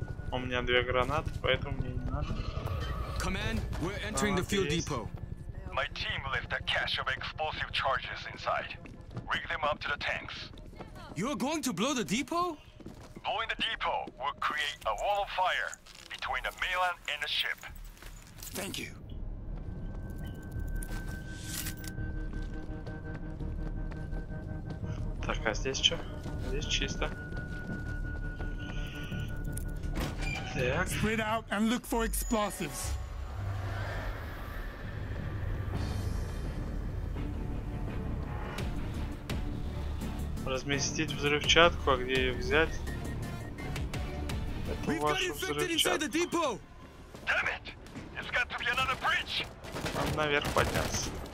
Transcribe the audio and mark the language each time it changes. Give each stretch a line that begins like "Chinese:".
Russian: У меня две гранаты, поэтому мне не надо.
English: Command, we're entering the fuel depot. My team left a cache of explosive charges inside. Rig them up to the tanks. You're going to blow the depot? Blowing the depot will create a wall of fire between the mainland and the ship. Thank you.
Russian: Так, а здесь что? Здесь чисто. Так.
English: Spread out and look for explosives.
Russian: Разместить взрывчатку, а где ее взять? Это вашу взрывчатку.
English: Damn it! It's got to be another bridge.
Russian: Нам наверх подняться.